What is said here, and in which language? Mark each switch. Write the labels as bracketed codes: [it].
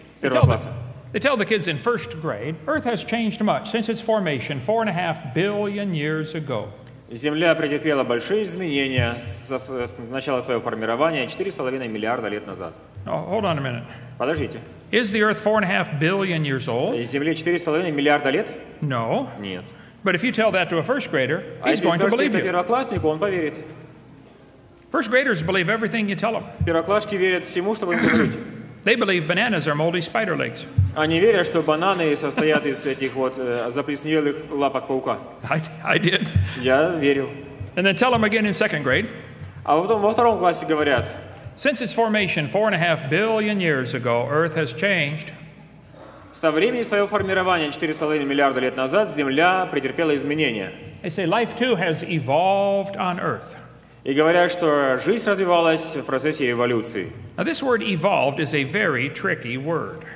[en] They tell the kids in first grade, Earth has changed much since its formation 4.5 billion years ago. [ru] Земля претерпела большие изменения с начала своего формирования 4.5 миллиарда лет назад. [en] Oh, hold on a minute. [ru] Подождите. [en] Is the Earth 4.5 billion years old? [ru] Земле 4.5 миллиарда лет? [en] No. [ru] Нет. [en] But if you tell that to a first grader, he's going to believe you. [ru] А если первоклассник, он поверит. [en] First graders believe everything you tell them. [ru] Первоклассники верят всему, что вы им говорите. [en] They believe bananas are moldy spider legs. [ru] Они верят, что бананы состоят из этих вот заплесневелых лапок паука. [en] I did. [ru] Я верил. [en] And then tell them again in second grade. [ru] А потом во втором классе говорят. [en] Since its formation 4.5 billion years ago, Earth has changed. [ru] Со времени своего формирования 4,5 миллиарда лет назад Земля претерпела изменения. [en] They say life too has evolved on Earth. [ru] И говорят, что жизнь развивалась в процессе эволюции. [en] Now this word evolved is a very tricky word.